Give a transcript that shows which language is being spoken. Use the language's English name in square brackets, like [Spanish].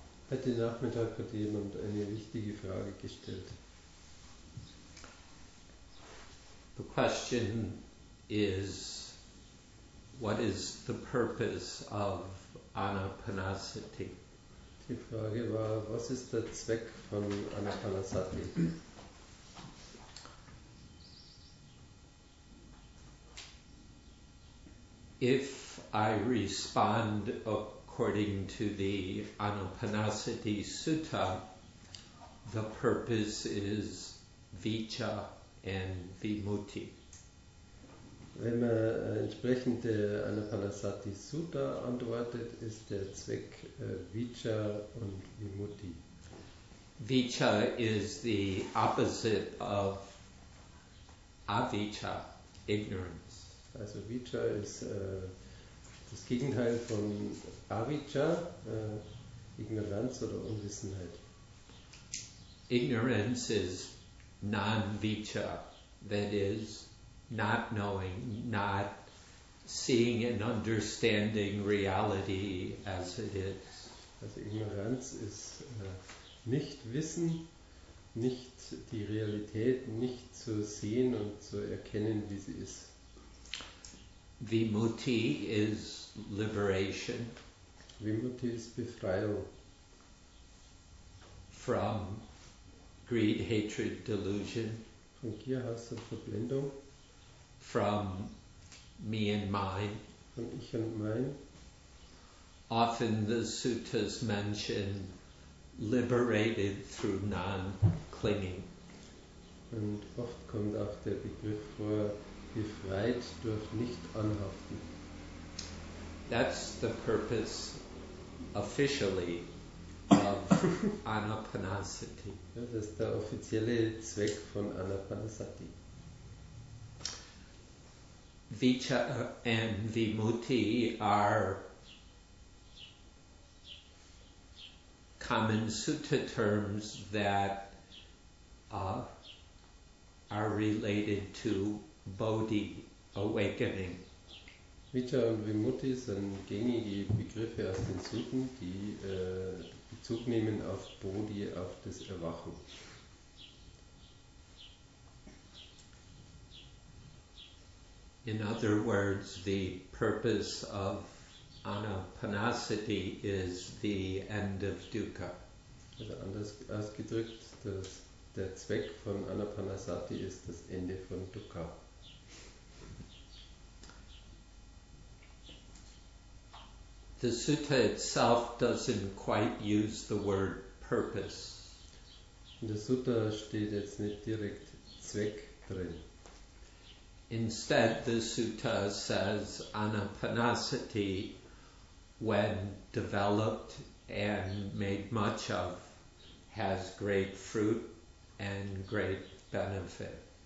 [German] Heute Nachmittag hat jemand eine wichtige Frage gestellt. [English] The question is, what is the purpose of Anapanasati? [German] Die Frage war, was ist der Zweck von Anapanasati? [English] If I respond according to the Anapanasati Sutta, the purpose is vicha and vimutti. [German] Wenn man entsprechend der Anapanasati Sutta antwortet, ist der Zweck Vicha und Vimutti. [English] Vicha is the opposite of avicha, ignorance. [German] Also Vicha ist das Gegenteil von Avicha, Ignoranz oder Unwissenheit. [English] Ignorance is non-vicha, that is, not knowing, not seeing and understanding reality as it is. [German] Also Ignoranz ist nicht wissen, nicht die Realität, nicht zu sehen und zu erkennen, wie sie ist. [English] Vimutti is liberation [German] Vimutti ist Befreiung. [English] from greed, hatred, delusion, [German] Von Gier, Hass und Verblendung. [English] from me and mine. [German] Von Ich und Mein. [English] Often the suttas mention liberated through non-clinging. [German] Und oft kommt auch der Begriff vor, befreit durch Nicht-Anhaften. [English] That's the purpose officially of Anapanasati. [German] Das ist der offizielle Zweck von Anapanasati. [English] Vicha and Vimutti are common sutta terms that are related to Bodhi, awakening. [German] Vicha und Vimutti sind gängige Begriffe aus den Sutten, die Bezug nehmen auf Bodhi, auf das Erwachen. [English] In other words, the purpose of Anapanasati is the end of dukkha. [German] Also anders ausgedrückt, der Zweck von Anapanasati ist das Ende von Dukkha. [English] The sutta itself doesn't quite use the word purpose. [German] In der Sutta steht jetzt nicht direkt Zweck drin. [English] Instead, the sutta says Anapanasati, when developed and made much of, has great fruit and great benefit.